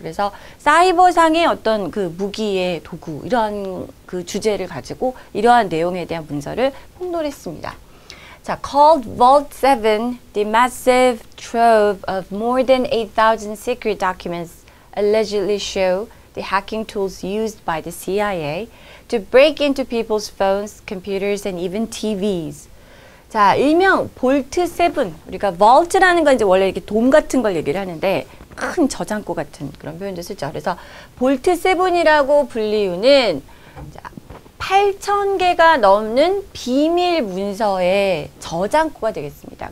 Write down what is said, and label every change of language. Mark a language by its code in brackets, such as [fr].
[ko] 그래서 사이버상의 어떤 그 무기의 도구 이런 그 주제를 가지고 이러한 내용에 대한 문서를 폭로했습니다. [en] 자, called Vault 7, the massive trove of more than 8,000 secret documents allegedly show the hacking tools used by the CIA to break into people's phones, computers, and even TVs. [ko] 자, 일명 볼트 7. 우리가 Vault라는 건 이제 원래 이렇게 돔 같은 걸 얘기를 하는데 큰 저장고 같은 그런 표현도 쓰죠. 그래서 볼트 7이라고 불리우는 자, 8,000개가 넘는 비밀 문서의 저장고가 되겠습니다.